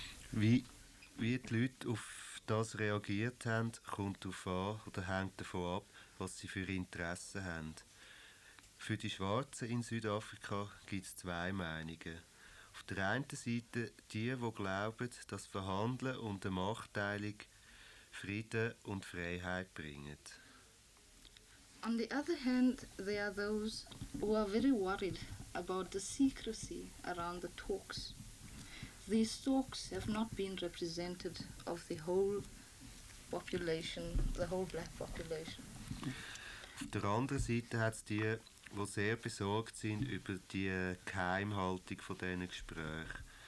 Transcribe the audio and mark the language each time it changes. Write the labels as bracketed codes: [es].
[de] wie die Leute auf das reagiert haben, kommt darauf an oder hängt davon ab, was sie für Interessen haben. Für die Schwarzen in Südafrika gibt es zwei Meinungen. Auf der einen Seite die, die glauben, dass Verhandeln und eine Machtteilung Frieden und Freiheit bringen. [en] On the other hand, there are those who are very worried about the secrecy around the talks. These talks have not been represented of the whole population, the whole black population. [de] Auf der anderen Seite hat es die, die sehr besorgt sind über die Geheimhaltung von diesen Gesprächen.